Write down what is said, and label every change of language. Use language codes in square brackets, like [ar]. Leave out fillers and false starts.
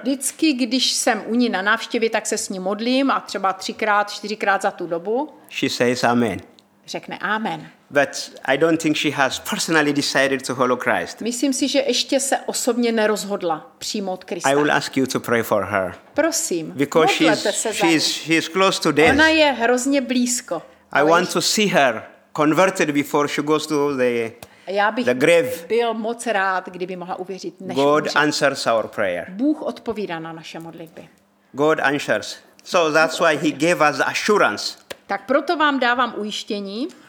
[cs] Vždycky, když jsem u ní na návštěvě, tak se s ní modlím a třeba třikrát, čtyřikrát za tu dobu. [en] She says amen. [cs] Řekne amen. [en] But I don't think she has personally decided to follow Christ. [cs] Myslím si, že ještě se osobně nerozhodla přijmout Krista. [en] I will ask you to pray for her. [cs] Prosím. [en] Because she is close to death. [cs] Ona je hrozně blízko. [en] I want to see her converted before she goes to the grave. [cs] Já bych byl moc rád, kdyby mohla uvěřit, než [en] God [cs] může. [en] Answers our prayer. [cs] Bůh odpovídá na naše modlitby. [en] God answers. So that's why he gave us assurance. [cs] Tak proto vám dávám ujištění.